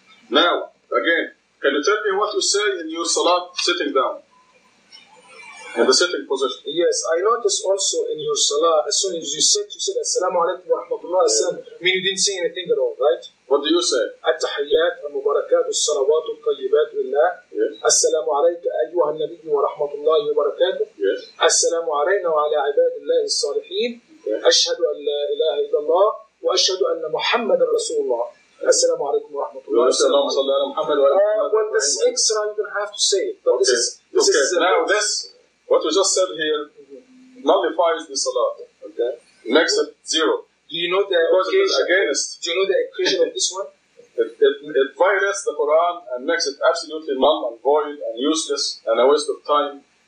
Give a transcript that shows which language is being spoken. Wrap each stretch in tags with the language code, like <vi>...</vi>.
<en>Now, again, can you tell me what you say in your salat sitting down? In the sitting position? Yes, I noticed also in your salat, as soon as you said</en> <ar>Assalamu alaikum wa rahmatullahi wa sallam,</ar> <en>meaning you didn't say anything at all, right? What do you say?</en> <ar>At-tahiyyat, al-mubarakat, al-salawat, al-tayyibat, al-lah.</ar> <en>Yes.</en> <ar>السلام عليك أيها النبي ورحمة الله وبركاته.</ar> <en>Yes.</en> <ar>السلام علينا وعلى عباد الله الصالحين.</ar> <en>Yes.</en> <ar>أشهد أن لا إله إلا الله وأشهد أن محمد رسول الله. السلام عليكم ورحمة الله. السلام صلى الله على محمد وعلى آله.</ar> <en>Well, this extra you don't have to say. But okay. This is now this what we just said here nullifies the salah. Okay. Makes it zero. Do you know the occasion? Against. Do you know the occasion of this one? It violates the Quran and makes it absolutely null and void and useless and a waste of time.</en>